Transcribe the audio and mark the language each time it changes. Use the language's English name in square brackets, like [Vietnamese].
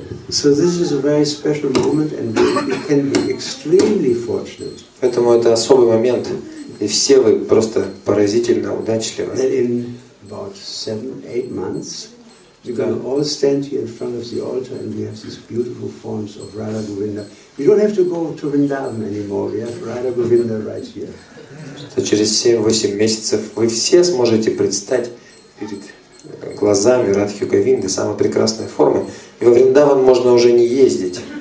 [English] So this is a very special moment, and we can be extremely fortunate. [Russian] Поэтому это особый момент, и все вы просто поразительно удачливы. [English] That in about 7-8 months, you're going to all stand here in front of the altar, and we have these beautiful forms of Radha Govinda. You don't have to go to Vrindavan anymore. We have Radha Govinda right here. [Russian] So, через 7-8 месяцев вы все сможете предстать перед глазами Радхи Говинды, самой прекрасной формы, и во Вриндаван можно уже не ездить.